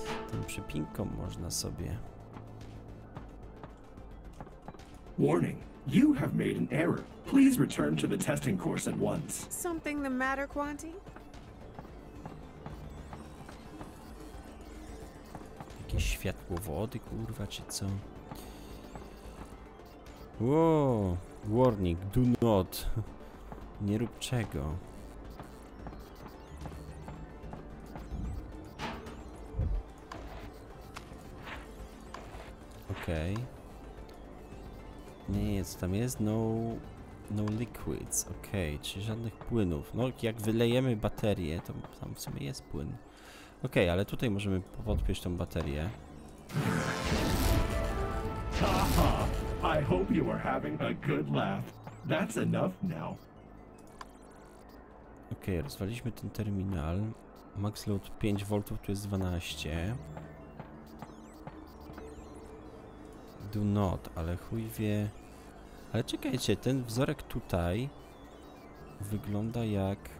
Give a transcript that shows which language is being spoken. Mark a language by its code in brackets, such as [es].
[pl] Tym przypinką można sobie. [en] Warning. You have made an error. Please return to the testing course at once. Something the matter, Quanti? [pl] Jakieś światło wody, kurwa, czy co? [en] Wow. Warning. Do not. [pl] Nie rób czego. Okej. Nie, co tam jest? [en] No, no liquids. [pl] Okej, czy żadnych płynów. No, jak wylejemy baterię, to tam w sumie jest płyn. Okej, ale tutaj możemy podpiąć tą baterię. [en] Aha, I hope you are having a good laugh. That's enough now. [pl] Okej, rozwaliliśmy ten terminal. [en] Max load 5 V, [pl] tu jest 12. [en] Do not, [pl] ale chuj wie. Ale czekajcie, ten wzorek tutaj wygląda jak.